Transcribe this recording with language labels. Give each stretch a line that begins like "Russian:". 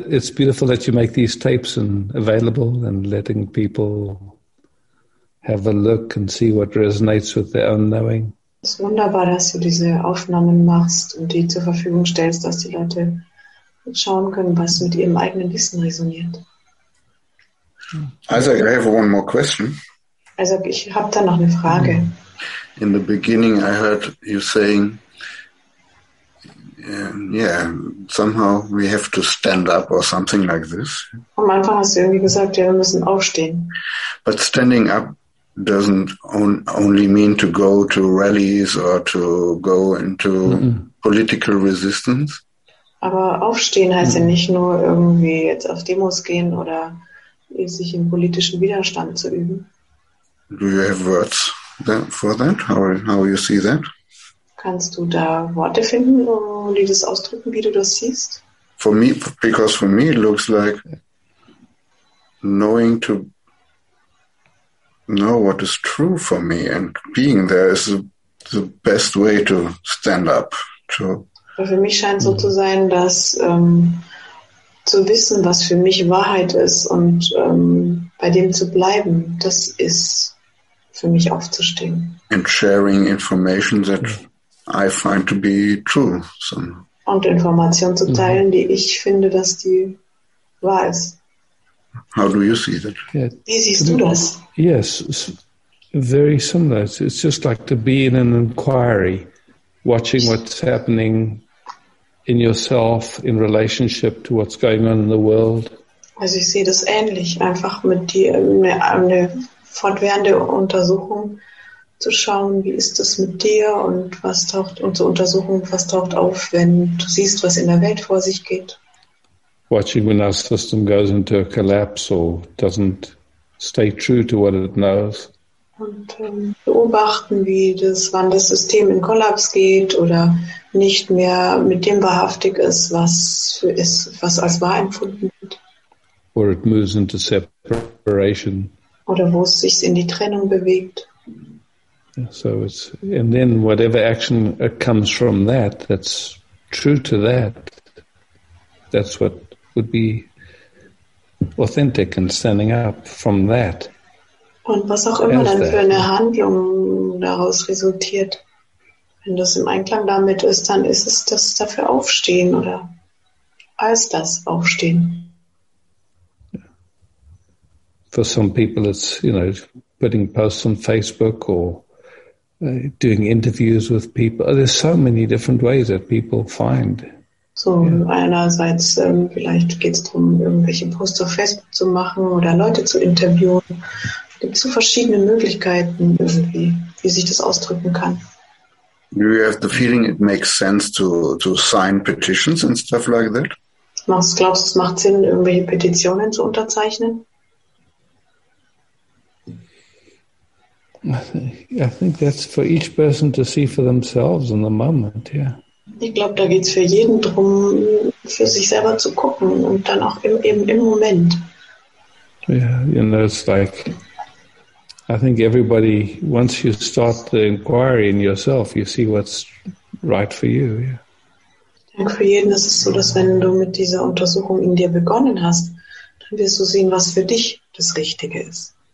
English: It's beautiful that you make these tapes and available and letting people have a look and see what resonates with their own knowing.
German: Es ist wunderbar, dass du diese Aufnahmen machst und die zur Verfügung stellst, dass die Leute schauen können, was mit ihrem eigenen Wissen resoniert.
English: Isaac, I have one more question.
German: Isaac, ich habe da noch eine Frage.
English: In the beginning, I heard you saying, yeah, somehow we have to stand up or something like this.
German: Am Anfang hast du irgendwie gesagt, ja, wir müssen aufstehen.
English: But standing up doesn't only mean to go to rallies or to go into political resistance.
German: Aber aufstehen heißt ja nicht nur irgendwie jetzt auf Demos gehen oder sich im politischen Widerstand zu üben.
English: Do you have words for that? How you see that?
German: Kannst du da Worte finden, die das ausdrücken, wie du das siehst?
English: For me, because for me it looks like knowing to know what is true for me and being there is the best way to stand up. To
German: für mich scheint so zu sein, dass zu wissen, was für mich Wahrheit ist und bei dem zu bleiben, das ist für mich aufzustehen.
English: And sharing information that I find to be true. So.
German: Und Informationen zu teilen, die ich finde, dass die wahr ist.
English: How do you see that?
German: Yeah. Wie siehst du das?
English: Yes, it's very similar. It's just like to be in an inquiry, watching what's happening in yourself, in relationship to what's going on in the world.
German: Also ich sehe das ähnlich, einfach mit dir eine fortwährende Untersuchung zu schauen, wie ist das mit dir und was taucht, und zu untersuchen, was taucht auf, wenn du siehst, was in der Welt vor sich geht.
English: Watching when our system goes into a collapse or doesn't stay true to what it knows.
German: Und beobachten, wie wann das System in Kollaps geht oder nicht mehr mit dem wahrhaftig ist, was als wahr empfunden wird.
English: Or it moves into separation.
German: Oder wo es sich in die Trennung bewegt.
English: So it's, and then whatever action comes from that, that's true to that, that's what would be authentic and standing up from that.
German: Und was auch immer dann für eine Handlung daraus resultiert, wenn das im Einklang damit ist, dann ist es das dafür aufstehen oder als das aufstehen.
English: For some people it's, you know, putting posts on Facebook or doing interviews with people. There's so many different ways that people find.
German: So einerseits vielleicht geht es darum, irgendwelche Posts auf Facebook zu machen oder Leute zu interviewen. Es gibt so verschiedene Möglichkeiten, irgendwie, wie sich das ausdrücken kann.
English: Do you have the feeling it makes sense to sign petitions and stuff like that?
German: Glaubst du, es macht Sinn, irgendwelche Petitionen zu unterzeichnen?
English: I think that's for each person to see for themselves in the moment, yeah.
German: Ich glaube, da geht's für jeden drum, für sich selber zu gucken und dann auch im Moment.
English: Yeah, you know, it's like, I think everybody, once you start the inquiry in yourself, you see what's right for you, yeah.
German: Ich denke, für jeden ist es so, dass wenn du mit dieser Untersuchung in dir begonnen hast, dann wirst du sehen, was für dich das Richtige ist.